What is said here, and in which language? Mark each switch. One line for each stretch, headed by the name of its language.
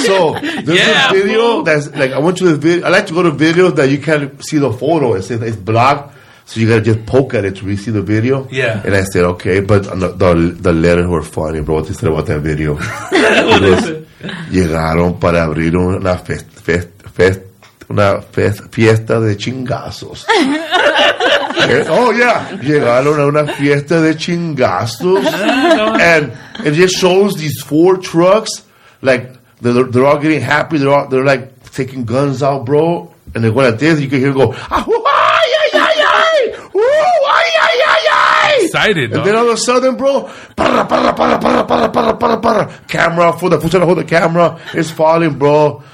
English: So, there's a video that's like, I went to the video. I like to go to videos that you can't see the photo. It's blocked, so you gotta just poke at it to see the video. Yeah. And I said, okay, but the letters were funny, bro. What they said about that video? What is it?
Spanish: Llegaron para abrir una fest. Una fiesta de chingazos.
English: Oh, yeah.
Spanish: Llegaron a una fiesta de chingazos.
English: And it just shows these four trucks. Like, they're all getting happy. They're like, taking guns out, bro. And they're going like this. You can hear it go, ay, ay, ay, ay. Ooh, ay, ay, ay, ay. way. Excited, and then all of a sudden, bro, camera for the footage, hold the camera, it's falling, bro.